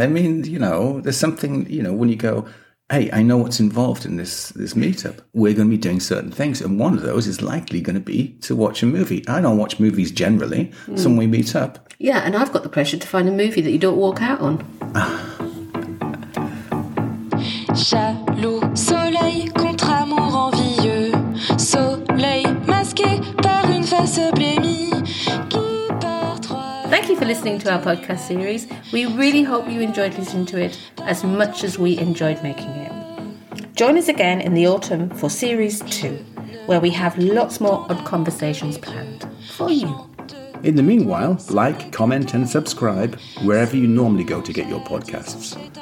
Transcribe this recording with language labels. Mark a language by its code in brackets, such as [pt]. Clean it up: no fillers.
[en] I mean, you know, there's something, you know, when you go, hey, I know what's involved in this meetup. We're going to be doing certain things, and one of those is likely going to be to watch a movie. I don't watch movies generally, so when we meet up. Yeah, and I've got the pressure to find a movie that you don't walk out on. [fr] Jaloux, soleil, contre amour envieux. Soleil masqué par une face blémie. [en] Thank you for listening to our podcast series. We really hope you enjoyed listening to it as much as we enjoyed making it. Join us again in the autumn for series 2, where we have lots more odd conversations planned for you. In the meanwhile, like, comment and subscribe wherever you normally go to get your podcasts.